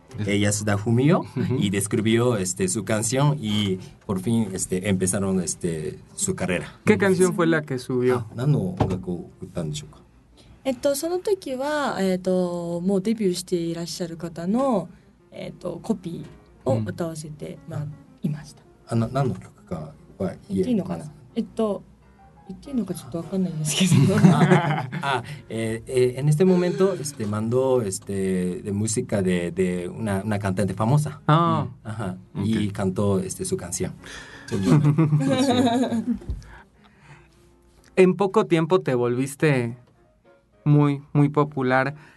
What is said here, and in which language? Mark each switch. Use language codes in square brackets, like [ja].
[es] Yasuda Fumio, y describió su canción y por fin empezaron su carrera. ¿Qué canción fue la que subió? [ja] その時は、もうデビューしていらっしゃる方の、コピーを歌わせてもらっいました。あ、何の曲かは言えるのかな、言っていいのかちょっと分かんないんですけど。 [es] En este momento mandó de música de una cantante famosa. Ah. Ajá. Okay. Y cantó su canción. En poco tiempo te volviste muy, muy popular.